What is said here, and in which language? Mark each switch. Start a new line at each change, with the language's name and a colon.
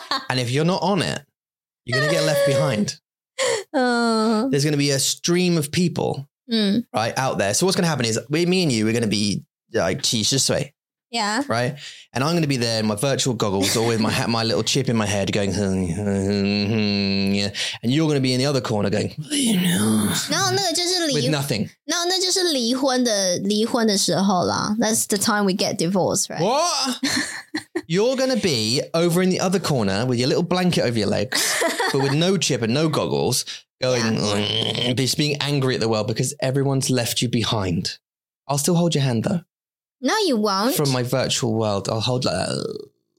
English: And if you're not on it, you're gonna get left behind. There's gonna be a stream of people, right out there. So what's gonna happen is, me and you, we're gonna be like 70 years old. Yeah. Right. And I'm going to be there in my virtual goggles or with my hat, my little chip in my head going, and you're going to be in the other corner going, with nothing.
Chinese: No, 那就是离婚的时候啦.
English: That's the time we get divorced, right? What? You're going to be over in the other corner with your little blanket over your legs, but with no chip and no goggles going, just being angry at the world because everyone's left you behind. I'll still hold your hand though. No, you won't. From my virtual world, I'll hold like that.